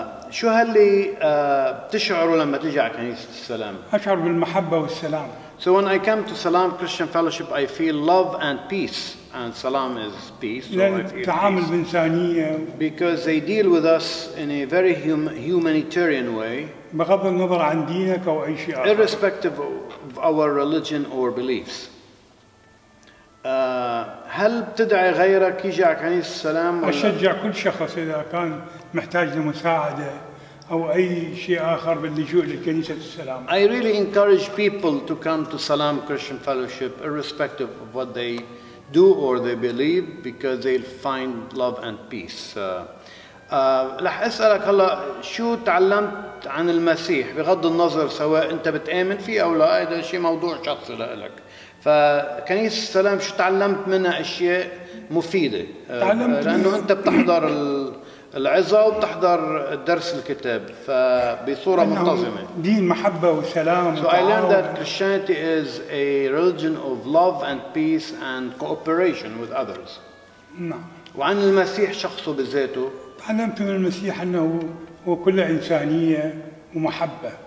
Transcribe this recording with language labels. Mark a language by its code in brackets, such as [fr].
[ar] شو هاللي بتشعروا لما تيجي على كنيسة السلام؟ أشعر بالمحبة والسلام. [en] So when I come to Salam Christian Fellowship, I feel love and peace. And Salam is peace. So [ar] لأن التعامل بإنسانية. [en] Because they deal with us in a very humanitarian way. [ar] بغض النظر عن دينك أو أي شيء آخر. [en] Irrespective of our religion or beliefs. [ar] هل بتدعي غيرك يجي على كنيسة السلام؟ أشجع كل شخص إذا كان محتاج لمساعدة أو أي شيء آخر باللجوء لكنيسة السلام. [en] I really encourage people to come to Salam Christian Fellowship irrespective of what they do or they believe because they'll find love and peace. [ar] رح أسألك هلا شو تعلمت عن المسيح بغض النظر سواء أنت بتآمن فيه أو لا، هذا شيء موضوع شخصي لإلك. فكنيسة السلام شو تعلمت منها أشياء مفيدة؟ تعلمت لأنه أنت بتحضر العظة وبتحضر درس الكتاب فبصورة منتظمة. دين محبة وسلام. [en] So I learned that Christianity is a religion of love and peace and cooperation with others. [ar] نعم. وعن المسيح شخصه بذاته. تعلمت من المسيح أنه هو كل إنسانية ومحبة.